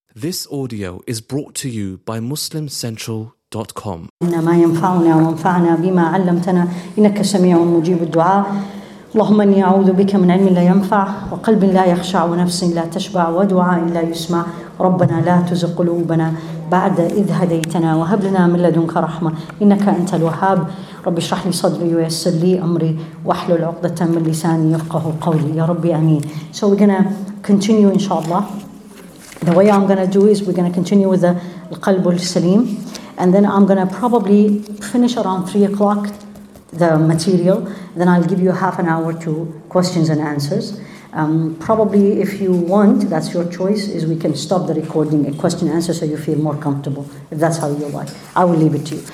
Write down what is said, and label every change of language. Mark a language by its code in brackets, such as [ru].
[en] This audio is brought to you by MuslimCentral.com. [ar] إنما ينفعنا ونفعنا بما علمتنا إنك سميع مجيب الدعاء. اللهم إني أعوذ بك من علم لا ينفع وقلب لا يخشع ونفس لا تشبع ودعاء لا يسمع. ربنا لا تزغ قلوبنا بعد إذ هديتنا وهب لنا من لدنك رحمة إنك أنت الوهاب. رب اشرح لي صدري ويسر لي أمري واحلل عقدة من لساني يفقه قولي يا ربي أمين. [en] So we're gonna continue inshallah. The way I'm gonna do is we're gonna continue with the القلب السليم, and then I'm gonna probably finish around 3 o'clock the material. Then I'll give you half an hour to questions and answers. Probably if you want, that's your choice, is we can stop the recording at question and answer so you feel more comfortable, if that's how you like. I will leave it to you.